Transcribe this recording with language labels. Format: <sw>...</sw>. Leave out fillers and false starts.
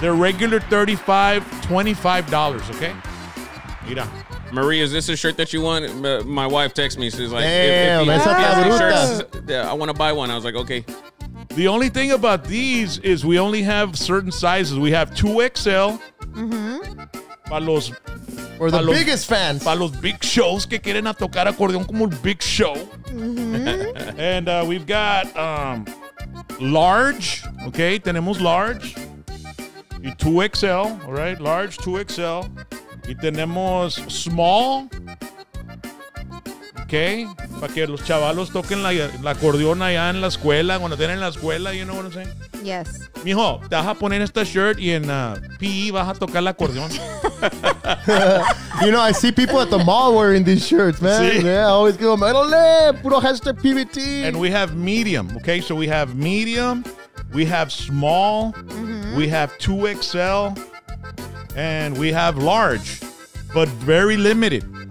<en>They're regular $35, $25, okay? Mira. Marie, is this a shirt that you want? My wife texts me. She's like, I want to buy one. I was like, okay. The only thing about these is we only have certain sizes. We have 2XL. Mm-hmm.</en> <es>Para los</es> <en>biggest fans.</en> <es>Para los big shows que quieren a tocar acordeón como el big show. Mm-hmm.</es> <en>And we've got large, okay?</en> <es>Tenemos large.</es> <en>Y 2XL, all right? Large, 2XL.</en> <es>Y tenemos small.</es> <en>Okay?</en> <es>Para que los chavalos toquen la acordeón allá en la escuela, cuando estén en la escuela,</es> <en>you know what I'm saying? Yes.</en> <es>Mijo, te vas a poner esta shirt y en PE vas a tocar la acordeón.</es> <en>You know, I see people at the mall wearing these shirts, man. See? Yeah, I always give them, ¡Ole! Puro hashtag PBT. And we have medium, okay? So we have medium, we have small, mm-hmm. we have 2XL, and we have large, but very limited.</en>